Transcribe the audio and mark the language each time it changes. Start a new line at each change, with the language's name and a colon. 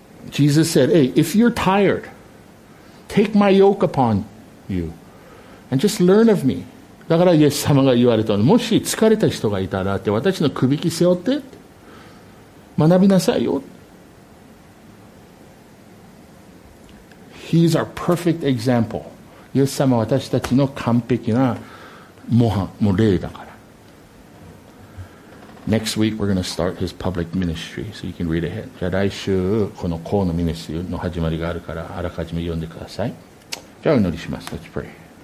English: Jesus said, hey, if you're tired, take my yoke upon you and just learn of me.
Japanese: だからイエス様が言われたの。もし疲れた人がいたらって私の首輝背負って学びなさいよ。
English: He is our perfect example.
Japanese: イエス様は私たちの完璧な模範、もう例だから。
English: Next week we're going to start his public ministry, so you can read ahead.
Japanese: じゃあ来週この公のミニストリーの始まりがあるからあらかじめ読んでください。じゃあお祈りします。
English: Let's pray.